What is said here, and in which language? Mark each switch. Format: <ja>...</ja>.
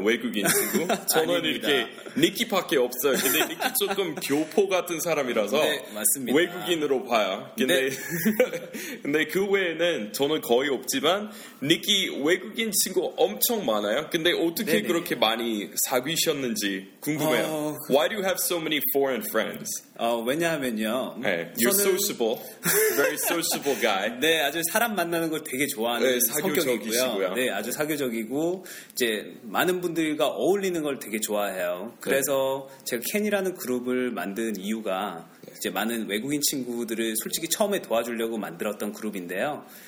<ko>외국인 친구 저는 이렇게 니키밖에 없어요. 근데 니키 조금 교포 같은 사람이라서 네, 맞습니다. 외국인으로 봐요. 근데 네. 근데 그 외에는 저는 거의 없지만 니키 외국인 친구 엄청 많아요. 근데 어떻게 네네. 그렇게 많이 사귀셨는지 궁금해요.</ko> <en>Why do you have so many foreign friends? 왜냐하면요. Hey, you're</en> <ko>저는...</ko> <en>sociable. Very sociable guy.</en> <ko>네, 아주 사람 만나는 걸 되게 좋아하는 네, 사교적이시고요. 네, 아주 사교적이고 이제 많은 분들과 어울리는 걸 되게 좋아해요. 그래서 네. 제가 캔이라는 그룹을 만든 이유가 이제 많은 외국인 친구들을 솔직히 처음에 도와주려고 만들었던 그룹인데요.</ko>